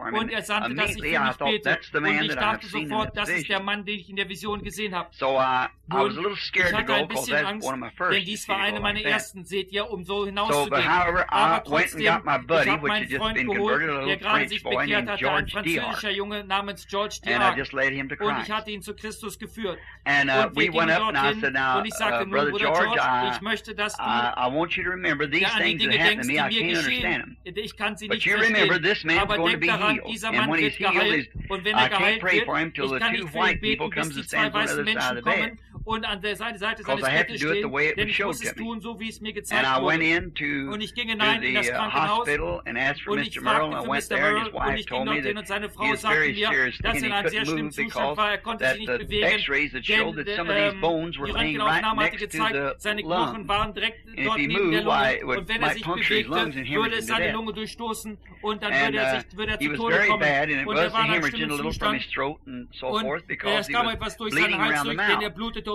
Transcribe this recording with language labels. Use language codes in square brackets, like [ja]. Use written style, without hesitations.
[de] Und er sandte, dass ich für mich bete. Und ich dachte sofort, das ist der Mann, den ich in der Vision gesehen habe. Und ich hatte ein bisschen Angst, denn dies war eine meiner ersten, seht ihr, um so hinauszugehen. Aber trotzdem, ich habe meinen Freund geholt, der gerade sich bekehrt hatte, ein französischer Junge namens George Dehart. Und ich hatte ihn zu Christus geführt. [en] And we went up and I said, now, Brother George, I want you to remember these things that happened to me. I can't understand them. But you remember this man is going to be healed. And when he's healed, I can't pray for him until the two white people come and stand on the other side of the bed. [de] Und an der Seite seines Bettes stehen, denn ich muss es tun, so wie es mir gezeigt wurde. Und ich ging hinein in das Krankenhaus und ich fragte für Mr. Merrill und ich ging dort hin und seine Frau sagte mir, dass er in einem sehr schlimmen Zustand war, er konnte sich nicht bewegen, denn die Röntgenaufnahme hatte gezeigt, seine Knochen waren direkt dort neben der Lunge und wenn er sich bewegte, würde es seine Lunge durchstoßen und dann würde er zu Tode kommen und er war in einem schlimmen Zustand und er kam etwas durch seinen Hals durch, denn er blutete.